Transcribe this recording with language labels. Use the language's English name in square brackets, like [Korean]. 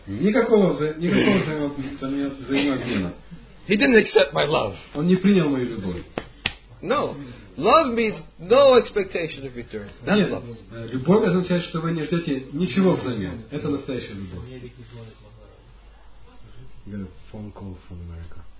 [Russian] Никакого взаимообмена. [English] He didn't accept my love. [Russian] Он не принял мою любовь. [English] No. Love means no expectation of return. That's love. [Russian] Любовь означает, что вы не ждете ничего взамен. Это настоящая любовь. [English] You got a phone call from America.